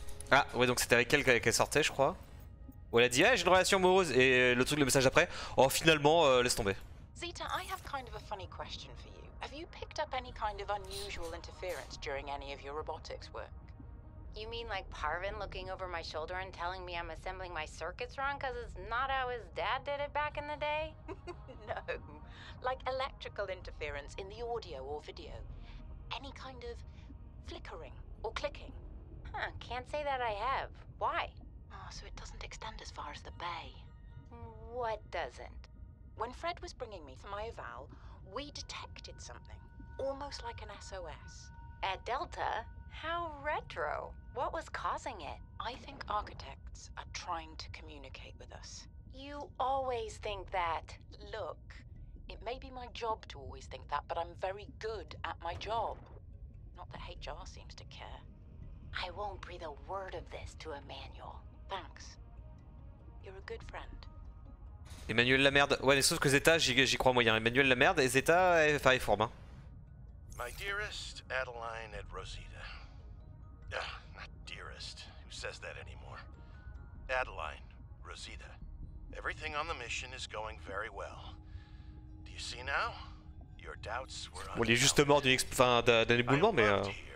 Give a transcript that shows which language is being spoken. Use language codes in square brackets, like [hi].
[fr] Ah, ouais, donc c'était avec elle qu'elle sortait, je crois. Où elle a dit, hey, j'ai une relation amoureuse, et le truc, le message après, oh finalement, laisse tomber. [en] Zeta, I have kind of a funny question for you. Have you picked up any kind of unusual interference during any of your robotics work? You mean like Parvin looking over my shoulder and telling me I'm assembling my circuits wrong because it's not how his dad did it back in the day? No, like electrical interference in the audio or video. Any kind of flickering or clicking? Huh, can't say that I have. Why? So it doesn't extend as far as the bay. What doesn't? When Fred was bringing me for my eval, we detected something, almost like an SOS. At Delta? How retro. What was causing it? I think architects are trying to communicate with us. You always think that. Look, it may be my job to always think that, but I'm very good at my job. Not that HR seems to care. I won't breathe a word of this to Emmanuel. Thanks. You're a good friend. [fr] Emmanuel la merde. Ouais, mais sauf que Zeta, j'y crois moyen. Emmanuel la merde et Zeta, elle fait forme. Hein. [en] My dearest Adeline et Rosita. Not dearest. Who says that anymore? Adeline, Rosita. Everything on the mission is going very well. Do you see now? Your doubts were [fr] on. Il est juste mort d'un éboulement, mais.